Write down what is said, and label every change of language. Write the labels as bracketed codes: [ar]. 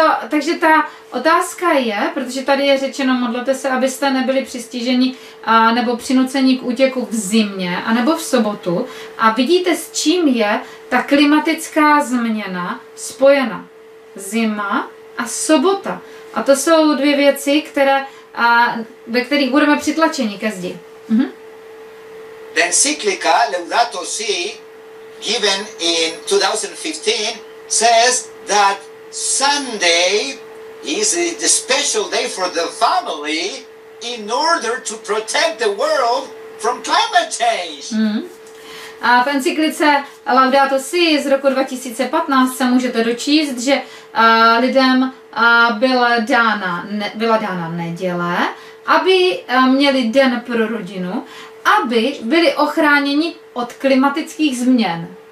[cs] Takže ta otázka je, protože tady je řečeno, modlete se, abyste nebyli přistiženi nebo přinuceni k útěku v zimě, anebo v sobotu. A vidíte, s čím je ta klimatická změna spojena. Zima a sobota. A to jsou dvě věci, ve kterých budeme přitlačeni ke zdi. [en] The encyclical Laudato Si, given in 2015, says that Sunday is the special day for the family in order to protect the world from climate change. [cs] A v encyklice Laudato Si z roku 2015 se můžete dočíst, že lidem byla dána neděle, aby měli den pro rodinu, aby byli ochráněni od klimatických změn.